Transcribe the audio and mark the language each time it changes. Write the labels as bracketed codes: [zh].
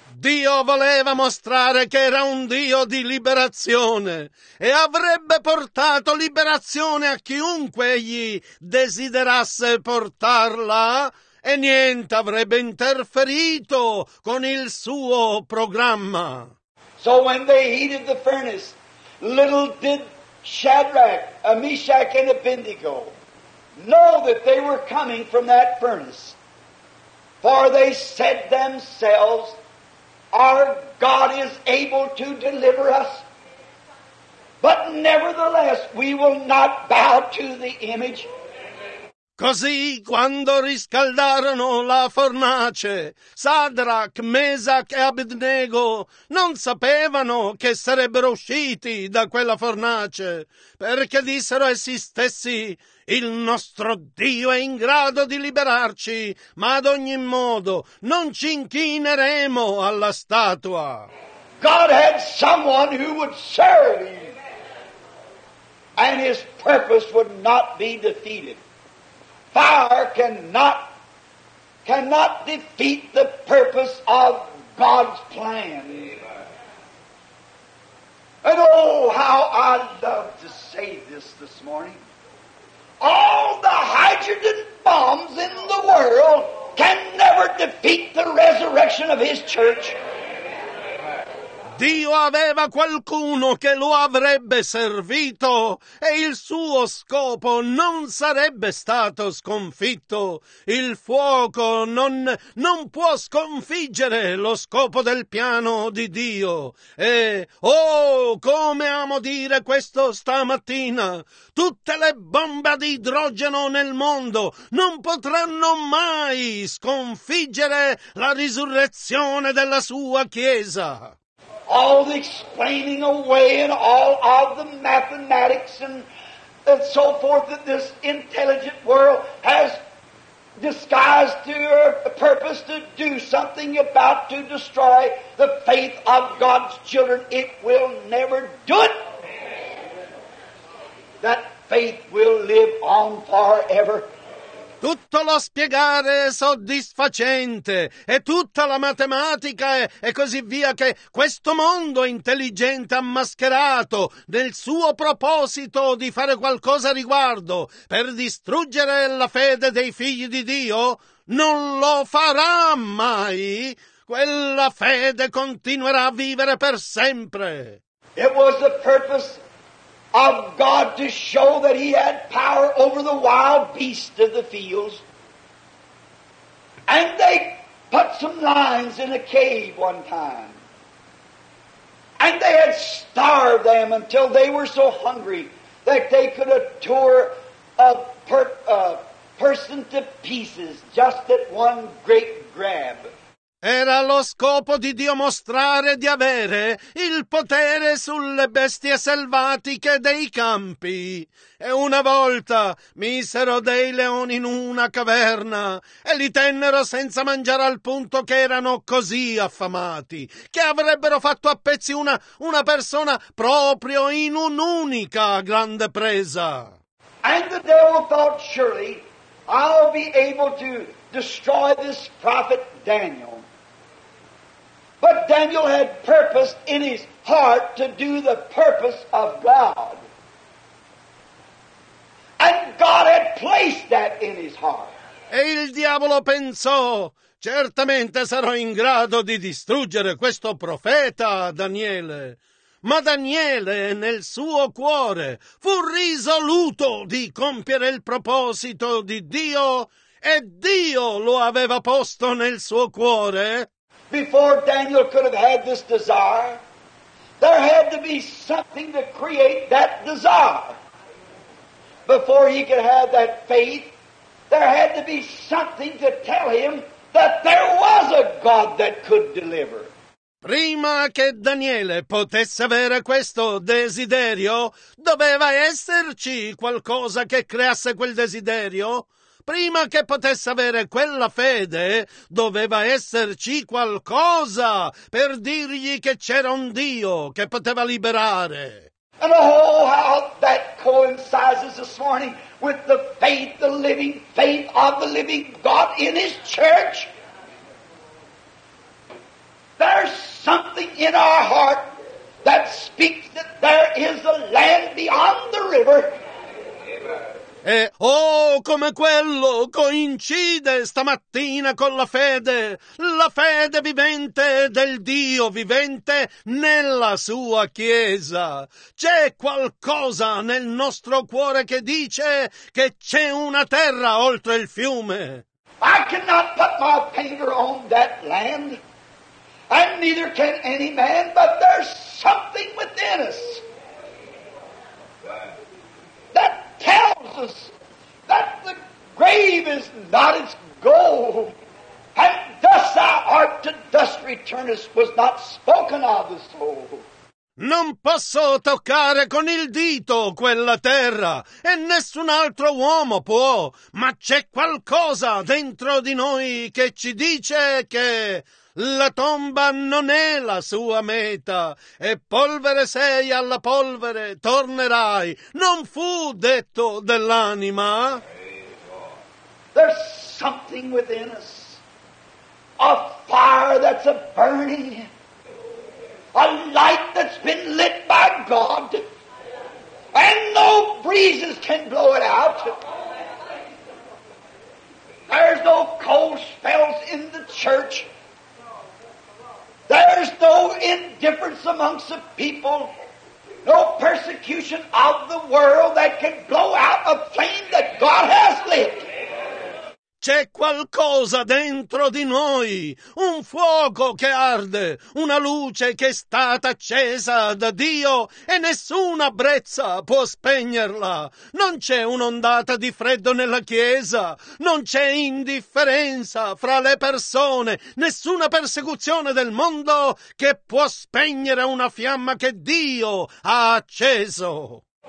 [it] Dio voleva mostrare che era un Dio di liberazione e avrebbe portato liberazione a chiunque egli desiderasse portarla e niente avrebbe interferito con il suo programma. [en] So when they heated the furnace, little did Shadrach, Meshach, and Abednego know that they were coming from that furnace. For they said themselves, our God is able to deliver us. But nevertheless, we will not bow to the image. [it] Così, quando riscaldarono la fornace, Sadrach, Mesach e Abednego non sapevano che sarebbero usciti da quella fornace, perché dissero essi stessi, il nostro Dio è in grado di liberarci, ma ad ogni modo non ci inchineremo alla statua. [en] God had someone who would serve him, and his purpose would not be defeated. Fire cannot defeat the purpose of God's plan. And oh, how I love to say this morning. All the hydrogen bombs in the world can never defeat the resurrection of his church. [it] Dio aveva qualcuno che lo avrebbe servito e il suo scopo non sarebbe stato sconfitto. Il fuoco non può sconfiggere lo scopo del piano di Dio. E, oh, come amo dire questo stamattina, tutte le bombe di idrogeno nel mondo non potranno mai sconfiggere la risurrezione della sua Chiesa. [en] All the explaining away and all of the mathematics and so forth that this intelligent world has disguised to your purpose to do something about to destroy the faith of God's children, it will never do it. That faith will live on forever. [it] Tutto lo spiegare soddisfacente e tutta la matematica e così via che questo mondo intelligente ha mascherato nel suo proposito di fare qualcosa riguardo per distruggere la fede dei figli di Dio, non lo farà mai. Quella fede continuerà a vivere per sempre. [en] It was the purpose of God to show that he had power over the wild beasts of the fields. And they put some lions in a cave one time. And they had starved them until they were so hungry that they could have tore a person to pieces just at one great grab. [it] Era lo scopo di Dio mostrare di avere il potere sulle bestie selvatiche dei campi. E una volta misero dei leoni in una caverna e li tennero senza mangiare al punto che erano così affamati che avrebbero fatto a pezzi una persona proprio in un'unica grande presa. [en] And the devil thought, surely I'll be able to destroy this prophet Daniel. But Daniel had purpose in his heart to do the purpose of God. And God had placed that in his heart. [it] E il diavolo pensò, certamente sarò in grado di distruggere questo profeta, Daniele. Ma Daniele, nel suo cuore, fu risoluto di compiere il proposito di Dio, e Dio lo aveva posto nel suo cuore. [en] Before Daniel could have had this desire, there had to be something to create that desire. Before he could have that faith, there had to be something to tell him that there was a God that could deliver. [it] Prima che Daniele potesse avere questo desiderio, doveva esserci qualcosa che creasse quel desiderio. Prima che potesse avere quella fede, doveva esserci qualcosa per dirgli che c'era un Dio che poteva liberare. [en] And oh, how that coincides this morning with the faith, the living faith of the living God in His church. There's something in our heart that speaks that there is a land beyond the river. [it] E oh, come quello coincide stamattina con la fede vivente del Dio vivente nella sua Chiesa. C'è qualcosa nel nostro cuore che dice che c'è una terra oltre il fiume. [en] I cannot put my finger on that land, and neither can any man, but there's something within us that tells us that the grave is not its goal, and thus thou art to dust returnest was not spoken of the soul. [it] Non posso toccare con il dito quella terra, e nessun altro uomo può, ma c'è qualcosa dentro di noi che ci dice che la tomba non è la sua meta, e polvere sei, alla polvere tornerai. Non fu detto dell'anima. [en] There's something within us, a fire that's a burning, a light that's been lit by God, and no breezes can blow it out. There's no cold spells in the church. There's no indifference amongst the people, no persecution of the world that can blow out a flame that God has lit. [it] C'è qualcosa dentro di noi, un fuoco che arde, una luce che è stata accesa da Dio e nessuna brezza può spegnerla. Non c'è un'ondata di freddo nella Chiesa, non c'è indifferenza fra le persone, nessuna persecuzione del mondo che può spegnere una fiamma che Dio ha acceso.